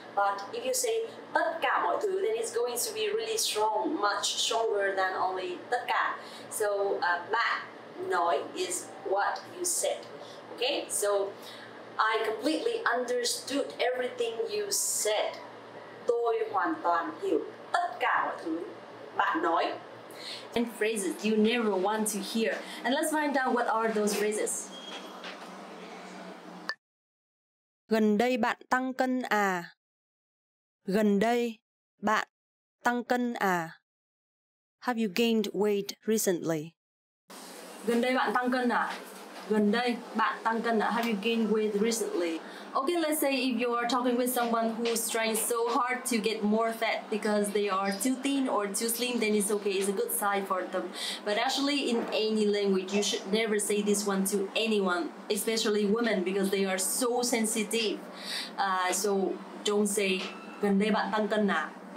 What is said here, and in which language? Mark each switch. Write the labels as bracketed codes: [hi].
[en] But if you say [vi] tất cả mọi thứ, [en] then it's going to be really strong, much stronger than only tất cả. So bạn nói is what you said. Okay, so I completely understood everything you said. [vi] Tôi hoàn toàn hiểu tất cả mọi thứ bạn nói. [en] And phrases you never want to hear. And let's find out what are those phrases. [vi] Gần đây bạn tăng cân à? Gần đây bạn tăng cân à? [en] Have you gained weight recently? [vi] Gần đây bạn tăng cân à? Gần đây bạn tăng cân à? [en] Have you gained weight recently? Okay, let's say if you are talking with someone who's trying so hard to get more fat because they are too thin or too slim, then it's okay, it's a good sign for them. But actually, in any language, you should never say this one to anyone, especially women, because they are so sensitive. So don't say, [vi] gần đây bạn tăng cân à?